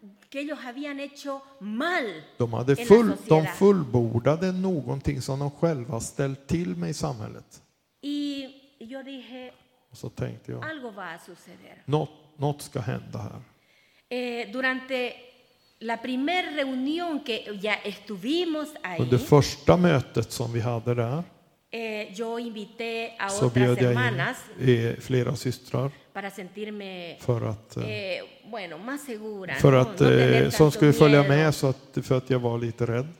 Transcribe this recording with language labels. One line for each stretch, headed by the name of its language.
Spanish: que ellos habían hecho mal.
Swedish: De hade full, de fullbordade någonting som de själva ställt till med i samhället.
Spanish: Y yo dije,
Swedish: och så tänkte jag,
Spanish: algo va a suceder.
Swedish: Något ska hända här.
Spanish: Durante la primer reunión que ya estuvimos ahí.
Swedish: Under första mötet som vi hade där.
Spanish: Yo invité a otras hermanas,
Swedish: flera systrar,
Spanish: para sentirme,
Swedish: för att,
Spanish: bueno, más segura,
Swedish: för att, som skulle följa med, så att, för att jag var lite rädd.